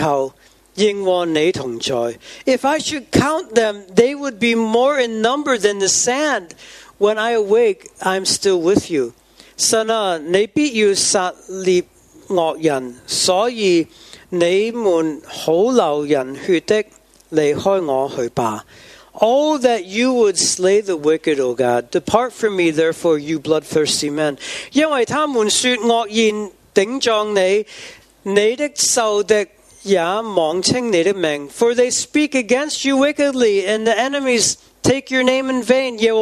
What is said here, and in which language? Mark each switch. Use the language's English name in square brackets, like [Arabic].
[Chinese] 我若数点比海沙更多，我睡醒的时候应和你同在。 [English] If I should count them, they would be more in number than the sand. When I awake, I am still with you. [Chinese] 神啊，你必要杀猎恶人，所以你们好流人血的。 [English] Oh, that you would slay the wicked, O God. Depart from me, therefore, you bloodthirsty men. [Chinese] 因为他们说恶言顶撞你，你的仇敌也妄称你的名。 [English] For they speak against you wickedly, and the enemies take your name in vain.